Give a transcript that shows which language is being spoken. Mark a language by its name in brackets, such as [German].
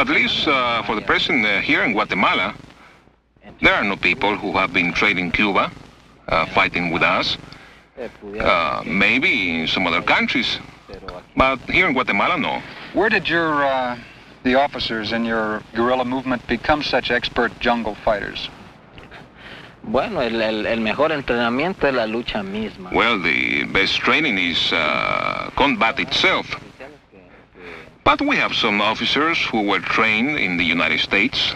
[English] At least for the present here in Guatemala, there are no people who have been trained in Cuba fighting with us. Maybe in some other countries. But here in Guatemala, no. Where did your the officers in your guerrilla movement become such expert jungle fighters? [Spanish] Bueno, el mejor entrenamiento es la lucha misma. [English] Well, the best training is combat itself. But we have some officers who were trained in the United States.